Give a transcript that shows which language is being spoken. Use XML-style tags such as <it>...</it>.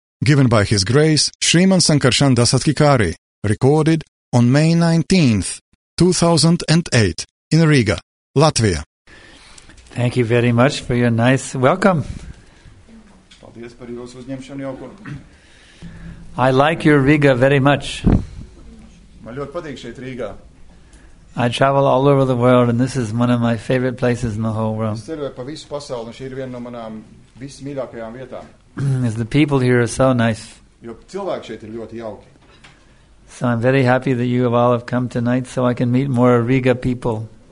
<en>Given by His Grace Sriman Sankarshan Dasatkikari, recorded on May 19th, 2008 in Riga, Latvia. Thank you very much for your nice welcome.</en> <lv>Paldies par jūsu uzņemšanu jauko.</lv> <en>I like your Riga very much.</en> <lv>Man ļoti patīk šeit Rīgā.</lv> <en>I travel all over the world, and this is one of my favorite places in the whole world. The people here are so nice. So I'm very happy that you have all have come tonight, so I can meet more Riga people.</en>